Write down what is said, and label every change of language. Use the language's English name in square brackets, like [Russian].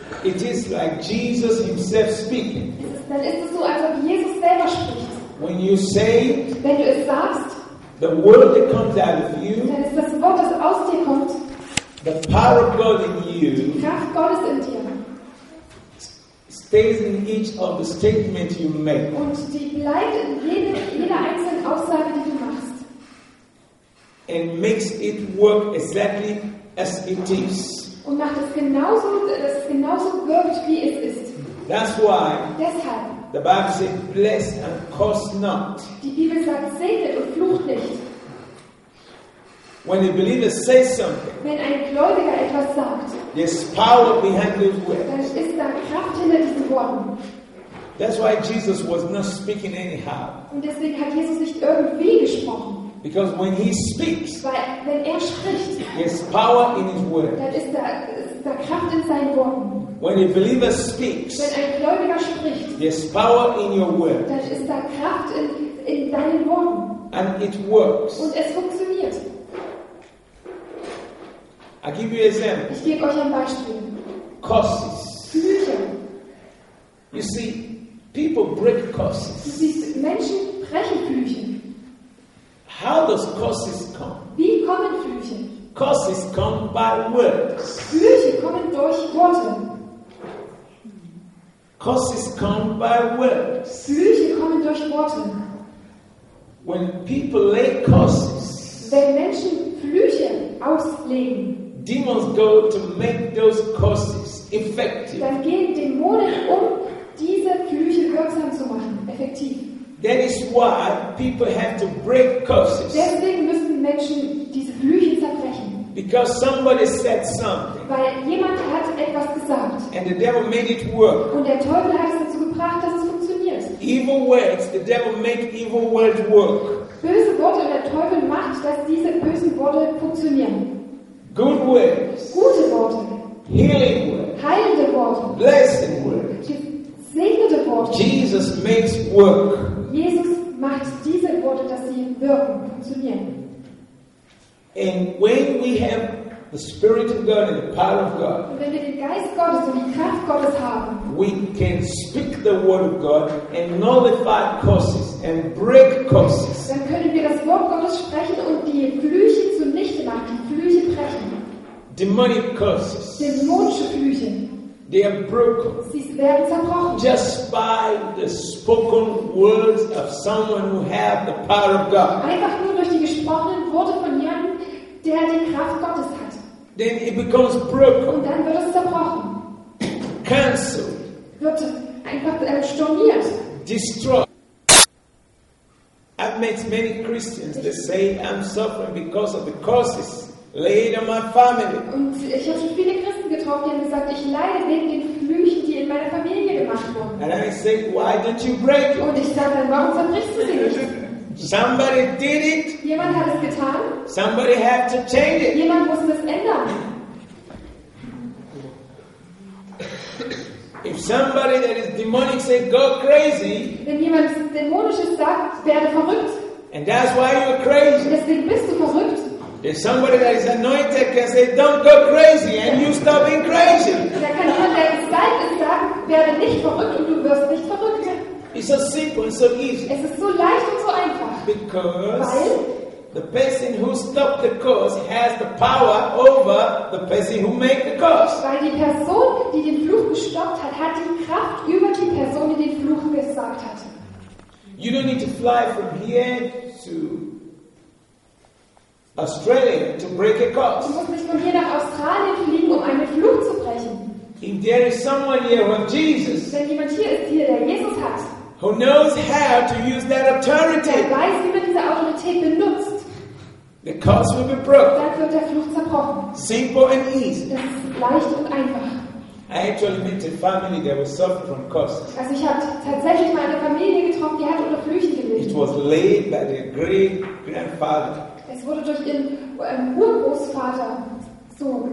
[English] It is like Jesus himself speaking. [German] Dann ist es so, als ob Jesus selber spricht. [English] When you say it. [German] Wenn du es sagst. [English] The word that comes out of you. [German] Dann ist das Wort, das aus dir kommt. [English] The power of God in you. [German] Die Kraft Gottes in dir. [English] Stays in each of the statements you make. [German] Und die bleibt in jeder einzelnen Aussage, die du machst. [English] And makes it work exactly as it is. [German] Und macht es genauso, dass es genauso wirkt, wie es ist. [English] That's why. [German] Deshalb. [English] The Bible says, "Bless and curse not." [German] Die Bibel sagt, segnet und flucht nicht. [English] When a believer says something, [German] wenn ein Gläubiger etwas sagt, [English] there's power behind those words. [German] Dann ist da Kraft hinter diesen Worten. [English] That's why Jesus was not speaking anyhow. [German] Und deswegen hat Jesus nicht irgendwie gesprochen. [English] Because when he speaks, [German] weil wenn er spricht, [English] there's power in his word. [German] Dann ist da Kraft in seinen Worten. [English] When a believer speaks, [German] wenn ein Gläubiger spricht, [English] there's power in your word. [German] Dann ist da Kraft in deinen Worten. [English] And it works. [German] Und es funktioniert. [English] I give you an example. [German] Ich gebe euch ein Beispiel. [English] Curses. [German] Flüche. [English] You see, people break curses. [German] Du siehst, Menschen brechen Flüche. [English] How does curses come? [German] Wie kommen Flüche? [English] Curses come by words. [German] Flüche kommen durch Worte. [English] Curses come by words. [German] Flüche kommen durch Worte. [English] When people lay curses, [German] wenn Menschen Flüche auslegen, [English] demons go to make those curses effective. [German] Dann gehen Dämonen, diese Flüche wirksam zu machen, effektiv. [English] That is why people have to break curses. [German] Deswegen müssen Menschen diese Flüche zerbrechen. [English] Because somebody said something. [German] Weil jemand hat etwas gesagt. [English] And the devil made it work. [German] Und der Teufel hat es dazu gebracht, dass es funktioniert. [English] Evil words, the devil make evil words work. [German] Böse Worte, der Teufel macht, dass diese bösen Worte funktionieren. [English] Good words. [German] Gute Worte. [English] Healing words. [German] Heilende Worte. [English] Blessing words. [German] Segnete Worte. [English] Jesus makes work. [German] Jesus macht diese Worte, dass sie wirken, funktionieren. [English] And when we have the Spirit of God and the power of God, [German] und wenn wir den Geist Gottes und die Kraft Gottes haben, [English] we can speak the word of God and nullify curses and break curses. [German] Dann können wir das Wort Gottes sprechen und die Flüche zunichte machen, die Flüche brechen. [English] Demonic curses. [German] Dämonische Flüche. [English] They are broken. [German] Sie werden zerbrochen. [English] Just by the spoken words of someone who have the power of God. [German] Einfach nur durch die gesprochenen Worte von jemandem, der die Kraft Gottes hat. [English] Then it becomes broken. [German] Und dann wird es zerbrochen. [English] Cancelled. [German] Wird einfach storniert. [English] Destroyed. I've met many Christians that say I'm suffering because of the curses laid on my family. [German] Und ich habe schon viele Christen getroffen, die haben gesagt, ich leide wegen den Flüchen, die in meiner Familie gemacht wurden. [English] And I say, why don't you break it? [German] Und ich sage dann, warum zerbrichst du sie nicht? [English] Somebody did it. [German] Jemand hat es getan. [English] Somebody had to change it. [German] Jemand musste es ändern. [English] If somebody that is demonic say go crazy. [German] Wenn jemand dämonisches sagt, werde verrückt. [English] And that's why you are crazy. [German] Deswegen bist du verrückt. [English] If somebody that is anointed can say don't go crazy and you stop being crazy. [German] Da kann jemand, der gesalbt ist, sagen, werde nicht verrückt und du wirst nicht verrückt. [English] It's so simple and so easy. [German] Es ist so leicht und so einfach. [English] Because [German] weil [English] the person who stopped the curse has the power over the person who made the curse. [German] Weil die Person, die den Fluch gestoppt hat, hat die Kraft über die Person, die den Fluch gesagt hat. [English] You don't need to fly from here to Australia to break a curse. [German] Du musst nicht von hier nach Australien fliegen, um einen Fluch zu brechen. [English] If there is someone here with Jesus, [German] wenn jemand hier ist, hier, der Jesus hat, [English] who knows how to use that authority? [German] Der weiß, wie man diese Autorität benutzt. [English] The curse will be broken. [German] Dann wird der Fluch zerbrochen. [English] Simple and easy. [German] Das ist leicht und einfach. [English] I actually met a family that was suffering from curses. [German] Also ich habe tatsächlich mal eine Familie getroffen, die hat unter Flüchen gelitten. [English] It was laid by their great grandfather. [German] Es wurde durch ihren Urgroßvater so.